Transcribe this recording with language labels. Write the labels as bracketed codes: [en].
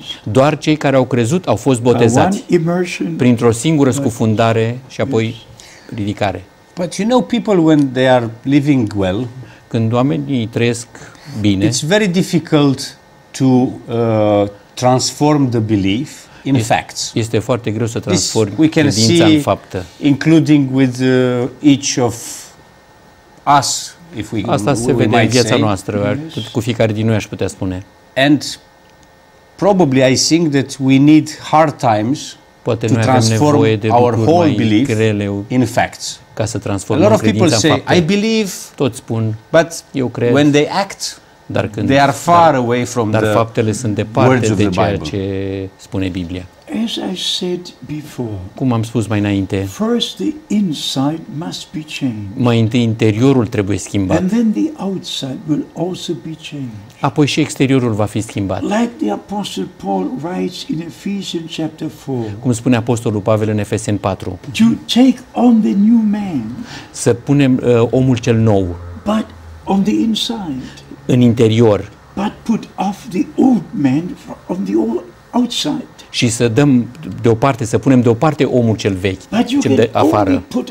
[ro] Doar cei care au crezut au fost botezați printr-o singură scufundare și apoi ridicare. [en] But you know, people when they are living well, [ro] când oamenii trăiesc bine, [en] it's very difficult to transform the belief in facts. [ro] Este foarte greu să transform credința în faptă. [en] Including with each of us, if we [ro] asta se vede în viața noastră, cu fiecare din noi aș putea spune. [en] And probably I think that we need hard times [ro] poate [en] to transform our whole belief in facts. [ro] Ca să transformăm credința în fapte. [en] A lot of people say I believe, [ro] toți spun, [en] but [ro] eu cred, [en] when they act, [ro] dar când [en] they are far away from [ro] dar [en] the [ro] faptele sunt departe de ceea ce spune Biblia. [en] As I said before, [ro] cum am spus mai înainte, [en] first the inside must be changed. [ro] Mai întâi interiorul trebuie schimbat. [en] And then the outside will also be changed. [ro] Apoi și exteriorul va fi schimbat. [en] Like the Apostle Paul writes in Ephesians chapter 4. [ro] Cum spune apostolul Pavel în Efeseni 4. [en] To take on the new man. [ro] Să punem omul cel nou. [en] But on the inside. [ro] În interior. [en] But put off the old man on the old outside. [ro] Și să dăm deoparte, să punem deoparte omul cel vechi, cel de afară.